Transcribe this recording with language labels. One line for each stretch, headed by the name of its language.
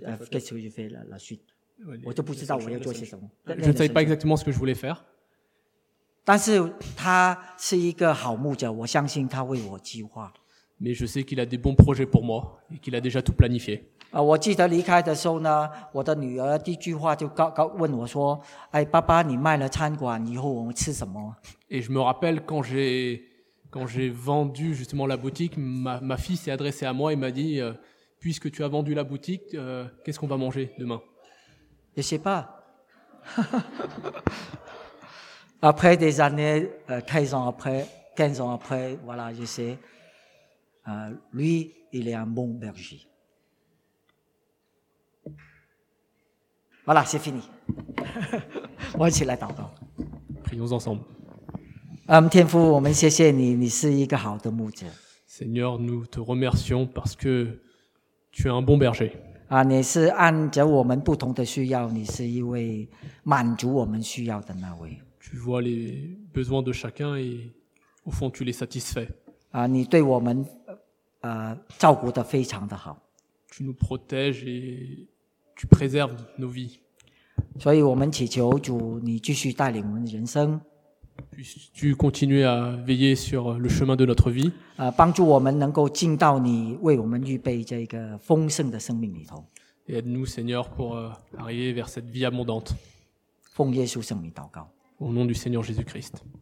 French: Qu'est-ce que je fais la suite? Je ne savais pas ce que je voulais faire. Je ne savais pas exactement ce que je voulais faire.
Chinese: 但是他是一个好牧者，我相信他为我计划。
French: Mais je sais qu'il a des bons projets pour moi et qu'il a déjà tout planifié.
Chinese: 我记得离开的时候呢，我的女儿第一句话就问我说：“哎，爸爸，你卖了餐馆以后，我们吃什么？”
French: Et je me rappelle quand j'ai vendu justement la boutique, ma fille s'est adressée à moi et m'a dit puisque tu as vendu la boutique, qu'est-ce qu'on va manger demain? Je sais pas. Après des années, 15 ans après, 15 ans après, voilà, je sais. Lui, il est un bon berger. Voilà, c'est fini. On va essayer de prier. Prions ensemble.
Chinese: 天父，我们谢谢你，你是一个好的牧者。
French: Seigneur, nous te remercions parce que tu es un bon berger.
Chinese: 你是按着我们不同的需要，你是一位满足我们需要的那位。
French: Tu vois les besoins de chacun et au fond tu les satisfais.
Chinese: 你对我们照顾得非常的好。
French: Tu nous protèges et tu préserves nos vies.
Chinese: 所以我们祈求主，你继续带领我们的人生。
French: Puisses-tu continuer à veiller sur le chemin de notre vie?
Chinese: 帮助我们能够进到你为我们预备这个丰盛的生命里头。
French: Et aide-nous, Seigneur, pour arriver vers cette vie abondante.
Chinese: 奉耶稣圣名祷告。
French: Au nom du Seigneur Jésus-Christ.